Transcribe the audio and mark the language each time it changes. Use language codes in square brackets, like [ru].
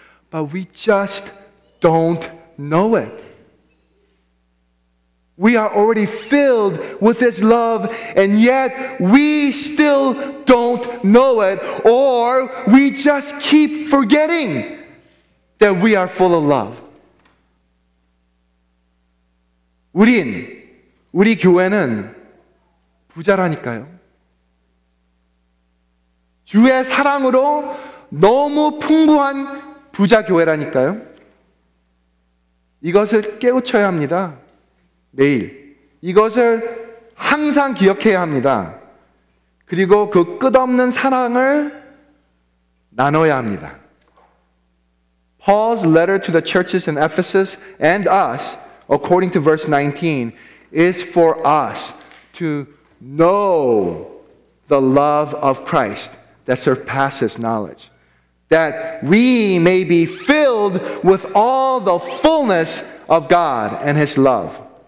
[en] But we just don't know it. We are already filled with His love, and yet we still don't know it, or we just keep forgetting that we are full of love. [ko] 우린, 우리 교회는 부자라니까요. 주의 사랑으로 너무 풍부한 부자 교회라니까요. 이것을 깨우쳐야 합니다. 매일. 이것을 항상 기억해야 합니다. 그리고 그 끝없는 사랑을 나눠야 합니다. [en] Paul's letter to the churches in Ephesus and us, according to verse 19, is for us to know the love of Christ that surpasses knowledge, that we may be filled with all the fullness of God and His love.